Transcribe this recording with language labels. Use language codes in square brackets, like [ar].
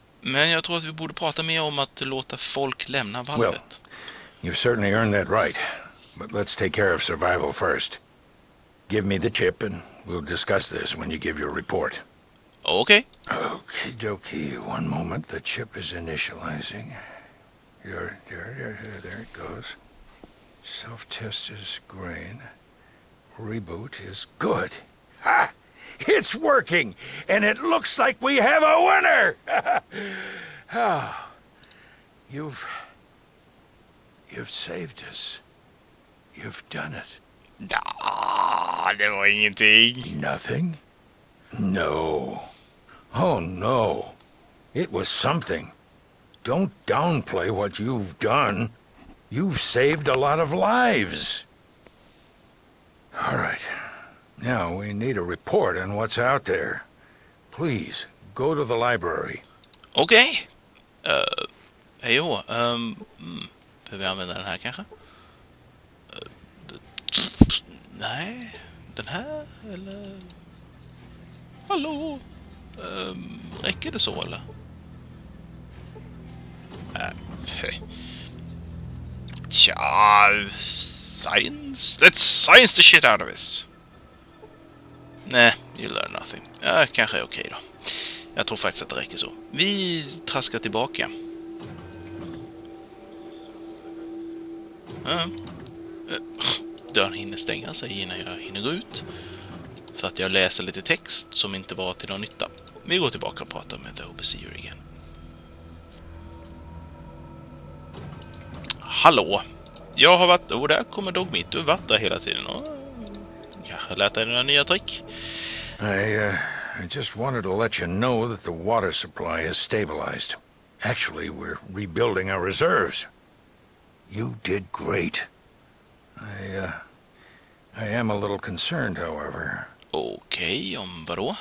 [sv] Men jag tror att vi borde prata mer om att låta folk lämna valvet. [en] Well, you've certainly earned that right. But let's take care of survival first. Give me the chip and we'll discuss this when you give your report. Okay. Okay, dokie. One moment. The chip is initializing. There it goes. Self-test is green. Reboot is good. Ha! It's working! And it looks like we have a winner! Oh, you've saved us. You've done it. [sv] Det var ingenting. [en] Nothing? No. Oh no. It was something. Don't downplay what you've done. You've saved a lot of lives. All right. Now we need a report on what's out there. Please, go to the library. Okay. Hey, jo. [sv] Behöver jag använda den här kanske? Nej, den här, eller... Hallå? Räcker det så, eller? [en] Tja, science? Let's science the shit out of this! [sv] Nej, [en] you learn nothing. [sv] Kanske är okej då. Jag tror faktiskt att det räcker så. Vi traskar tillbaka. Dörren hinner stänga sig innan jag hinner gå ut. För att jag läser lite text som inte var till någon nytta. Vi går tillbaka och pratar med The Overseer igen. Hallå! Jag har varit... Oh, där kommer Dogmeat. Du har varit där hela tiden. Kanske lät dig några nya trick. [en] I just wanted to let you know that the water supply is stabilized. Actually, we're rebuilding our reserves. You did great. I am a little concerned, however. [sv] Okay, vad då?